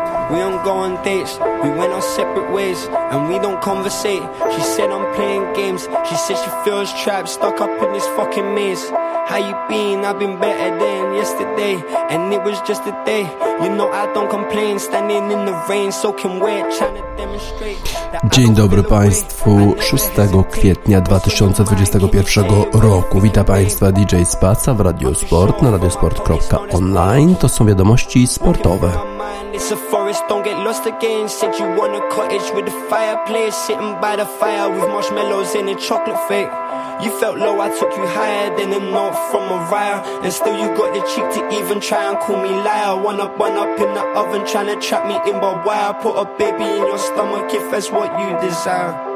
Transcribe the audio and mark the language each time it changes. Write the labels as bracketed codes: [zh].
[en] We don't go on dates, we went our separate ways, and we don't conversate. She said I'm playing games, she said she feels trapped, stuck up in this fucking maze. How you been? I've been better than yesterday, and it was just a day. You know I don't complain, standing in the rain, soaking wet, trying to demonstrate. [pl] Dzień dobry Państwu, 6 kwietnia 2021 roku. Witam Państwa, DJ Spaca w Radio Sport na radiosport.online. To są wiadomości sportowe. [en] It's a forest, don't get lost again. Said you want a cottage with a fireplace, sitting by the fire with marshmallows in a chocolate fake. You felt low, I took you higher than a note from Mariah, and still you got the cheek to even try and call me liar. One up in the oven, trying to trap me in barbed wire. Put a baby in your stomach if that's what you desire.